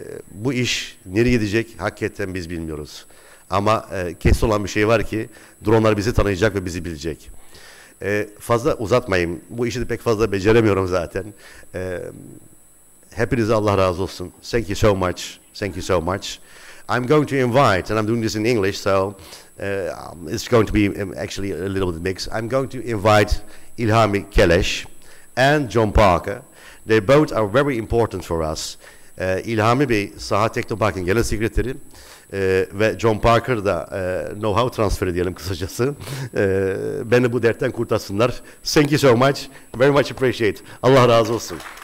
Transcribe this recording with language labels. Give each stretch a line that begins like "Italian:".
Turkish: bu iş nereye gidecek hakikaten biz bilmiyoruz. Ama kesin olan bir şey var ki dronlar bizi tanıyacak ve bizi bilecek. Fazla uzatmayayım. Bu işi de pek fazla beceremiyorum zaten. Hepinize Allah razı olsun.
English: Thank you so much. Thank you so much. I'm going to invite, and I'm doing this in English, so it's going to be actually a little bit mixed. I'm going to invite İlhami Keleş and John Parker. They both are very important for us.
Turkish: İlhami Bey, Saha Teknopark'ın genel sekreteri ve John Parker da know-how transferi diyelim kısacası. Beni bu dertten kurtarsınlar.
English: Thank you so much. Very much appreciate.
Turkish: Allah razı olsun.